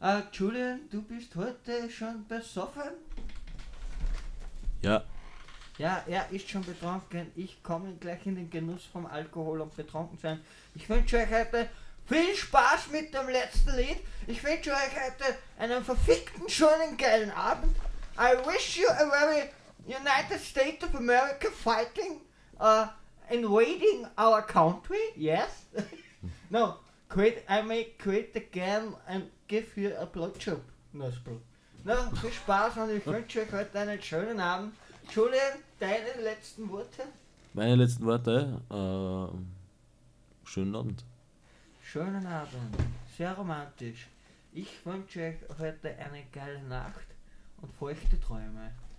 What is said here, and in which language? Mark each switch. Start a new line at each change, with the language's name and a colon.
German: Julian, du bist heute schon besoffen? Ja. Ja, er ist schon betrunken. Ich komme gleich in den Genuss vom Alkohol und betrunken sein. Ich wünsche euch heute viel Spaß mit dem letzten Lied. Ich wünsche euch heute einen verfickten, schönen, geilen Abend.
English: I wish you a very United States of America fighting. Invading our country, yes? No, I may quit again and give you a blowjob.
German: No, viel Spaß und ich wünsche euch heute einen schönen Abend. Julian, deine letzten Worte? Meine letzten Worte? Schönen Abend. Schönen Abend, sehr romantisch. Ich wünsche euch heute eine geile Nacht und feuchte Träume.